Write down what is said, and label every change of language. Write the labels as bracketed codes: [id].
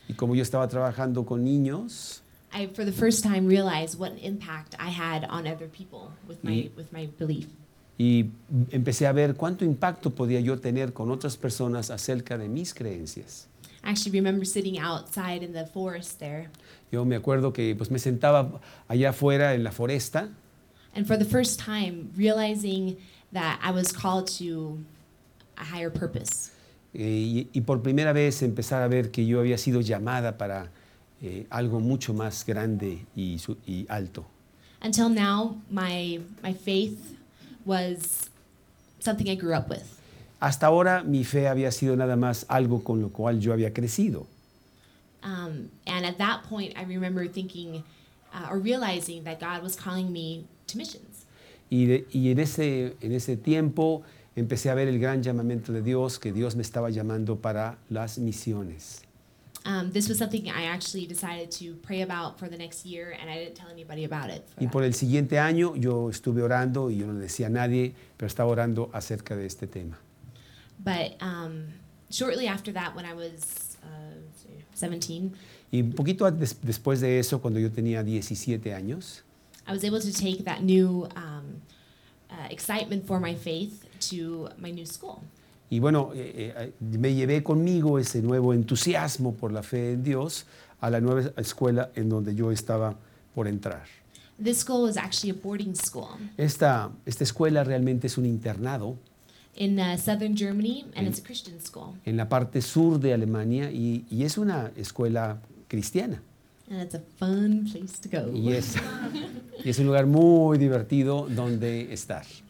[es] Y como yo estaba trabajando con niños. [en] I for the first time realized what an impact I had on other people with my belief. [es] Y empecé a ver cuánto impacto podía yo tener con otras personas acerca de mis creencias. [en] Actually, remember sitting outside in the forest there. [es] Yo me acuerdo que pues me sentaba allá afuera en la foresta. [en] And for the first time, realizing that I was called to a higher purpose. [es] Y por primera vez empezar a ver que yo había sido llamada para algo mucho más grande y alto. [en] Until now, my faith was something I grew up with. [es] Hasta ahora mi fe había sido nada más algo con lo cual yo había crecido. [en] And at that point I remember thinking or realizing that God was calling me to missions. [es] Y en ese tiempo empecé a ver el gran llamamiento de Dios, que Dios me estaba llamando para las misiones. [en] This was something I actually decided to pray about for the next year, and I didn't tell anybody about it. [es] Y por el siguiente año, yo estuve orando y yo no le decía a nadie, pero estaba orando acerca de este tema. [en] But shortly after that, when I was 17. [es] Y un poquito después de eso, cuando yo tenía 17 años. [en] I was able to take that new excitement for my faith to my new school. [es] Y bueno, me llevé conmigo ese nuevo entusiasmo por la fe en Dios a la nueva escuela en donde yo estaba por entrar. [en] This school was actually a boarding school. [es] Esta escuela realmente es un internado. [en] In southern Germany, and it's a Christian school. [es] En la parte sur de Alemania y es una escuela cristiana. [en] And it's a fun place to go. [es] Y es un lugar muy divertido donde estar.